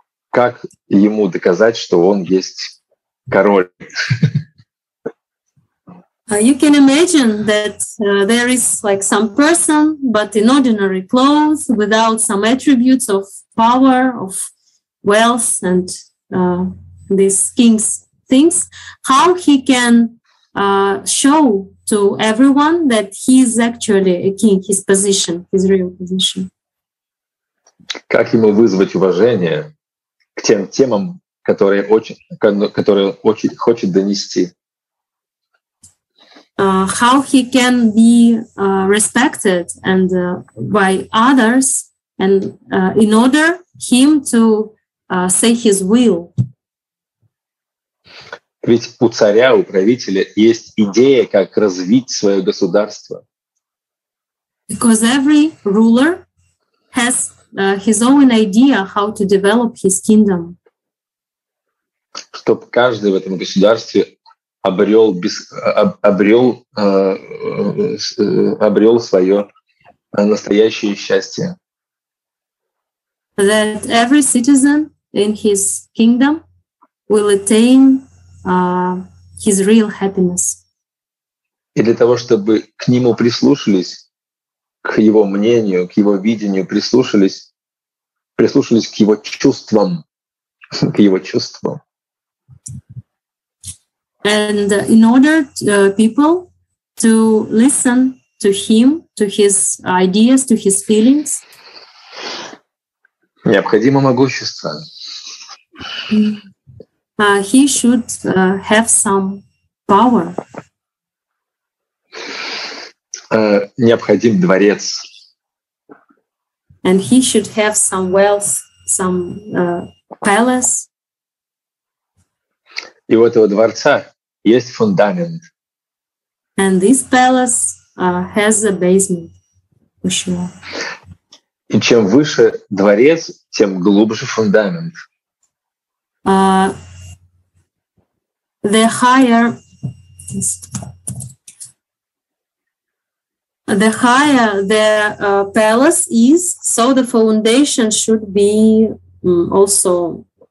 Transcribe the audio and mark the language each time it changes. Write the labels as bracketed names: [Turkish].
[Russian] Как ему доказать, что он есть король? [English] You can imagine that there is like some person, but in ordinary clothes, without some attributes of power, of wealth and these king's things, how he can show to everyone that he is actually a king, his position, his real position. [Russian] Как ему вызвать уважение к тем темам, которые очень хочет донести? [English] How he can be respected and by others and in order him to say his will. [Russian] Ведь у царя, у правителя есть идея, как развить свое государство. [English] Because every ruler has his own idea how to develop his kingdom. [Russian] Чтобы каждый в этом государстве обрел свое настоящее счастье. [English] That every citizen in his kingdom will attain his real happiness. [Russian] И для того, чтобы к нему прислушались, к его мнению, к его видению, прислушались к его чувствам, к его чувствам. [English] And in order to people to listen to him, to his ideas, to his feelings. [Russian] Необходимо могущество. [English] He should have some power. [Russian] Необходим дворец. [English] And he should have some wealth, some palace. [Russian] И у этого дворца есть фундамент. [English] And this palace has a basement, for sure. [Russian] И чем выше дворец, тем глубже фундамент. [English] The higher the palace is, so the foundation should be also.